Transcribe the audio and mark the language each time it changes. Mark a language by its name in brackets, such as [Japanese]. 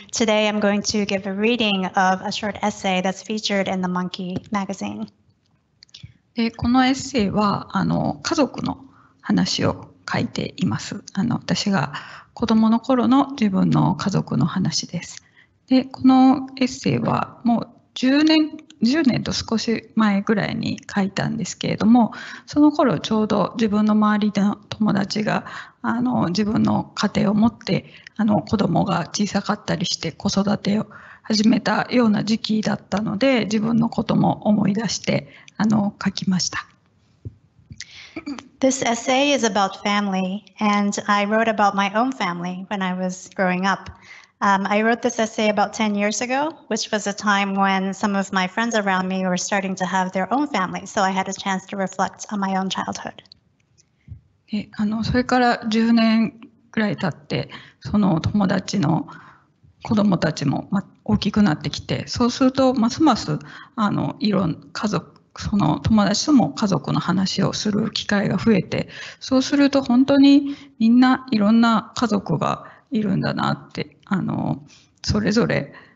[English] Today I'm going to give a reading of a short essay that's featured in the Monkey magazine. [Japanese] このエッセイはあの家族の話を書いています。あの私が子供の頃の自分の家族の話です。でこのエッセイはもう10年と少し前ぐらいに書いたんですけれども、その頃ちょうど自分の周りの友達があの自分の家庭を持ってあの子供が小さかったりして子育てを始めたような時期だったので、自分のことも思い出して、あの、書きました。 [English] This essay is about family, and I wrote about my own family when I was growing up. I wrote this essay about 10 years ago, which was a time when some of my friends around me were starting to have their own family, so I had a chance to reflect on my own childhood. [Japanese] あの、それから10年くらい経って、その友達の子どもたちも大きくなってきて、そうするとますますあのいろんな家族、その友達とも家族の話をする機会が増えて、そうすると本当にみんないろんな家族がいるんだなって、あのそれぞれ